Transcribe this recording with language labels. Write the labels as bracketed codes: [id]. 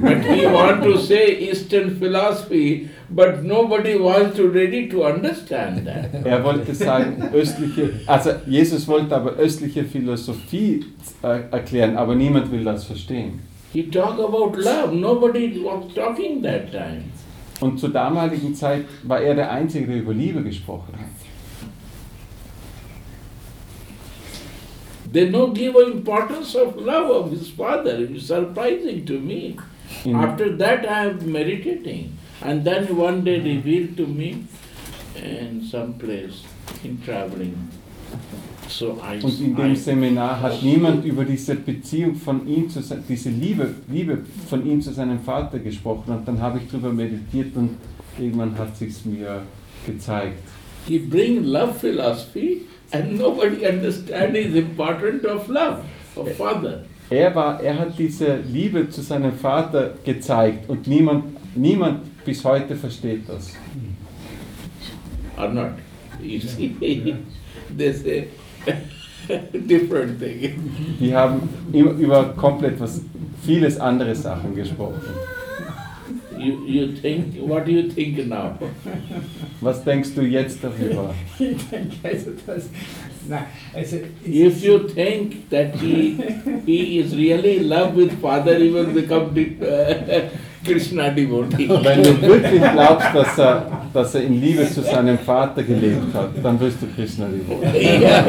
[en] But we want to say Eastern philosophy, but nobody wants to ready to understand that. [de] Er wollte sagen, östliche, also Jesus wollte aber östliche Philosophie erklären, aber niemand will das verstehen. [en] He talk about love. Nobody was talking that time. [de] Und zur damaligen Zeit war er der Einzige, der über Liebe gesprochen hat. [en] They don't give importance of love of his father. It's surprising to me. After that, I am meditating, and then one day revealed to me in some place in traveling. So [de] und in dem Seminar hat niemand über diese Beziehung von ihm zu diese Liebe von ihm zu seinem Vater gesprochen. Und dann habe ich darüber meditiert und irgendwann hat sich's mir gezeigt. [en] He bring love philosophy and nobody understands the importance of love of father. [de] Er hat diese Liebe zu seinem Vater gezeigt und niemand bis heute versteht das. [en] Or not? You see, they say. Different thing. [de] Die haben über komplett was vieles andere Sachen gesprochen. [en] You think, what do you think now? [de] Was denkst du jetzt darüber? Ich denke also das. Na, also [en] if you think that he is really in love with father, he will become Krishna devotee. [de] Wenn du wirklich glaubst, dass er in Liebe zu seinem Vater gelebt hat, dann wirst du Krishna devotee.